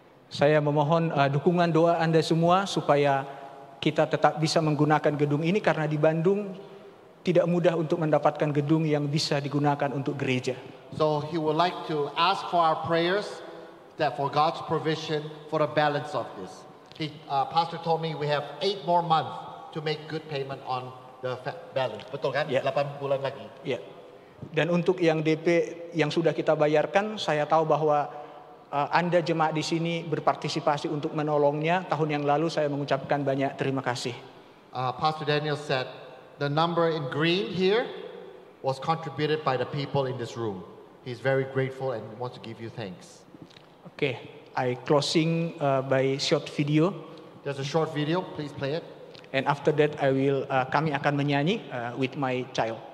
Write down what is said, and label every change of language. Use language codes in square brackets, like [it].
[id] Saya memohon dukungan doa Anda semua supaya kita tetap bisa menggunakan gedung ini, karena di Bandung tidak mudah untuk mendapatkan gedung yang bisa digunakan untuk gereja. [en] So he would like to ask for our prayers that for God's provision for the balance of this. Pastor told me we have 8 more months to make good payment on the balance. [id] Betul kan? [en] Yeah. [id] 8 bulan lagi. Iya. [en] Yeah. [id] Dan untuk yang DP yang sudah kita bayarkan, saya tahu bahwa Anda jemaat di sini berpartisipasi untuk menolongnya. Tahun yang lalu saya mengucapkan banyak terima kasih. [en] Pastor Daniel said the number in green here was contributed by the people in this room. He's very grateful and wants to give you thanks. Okay, I closing by short video. There's a short video, please play it. And after that, I will. [id] Kami akan menyanyi [en] with my child.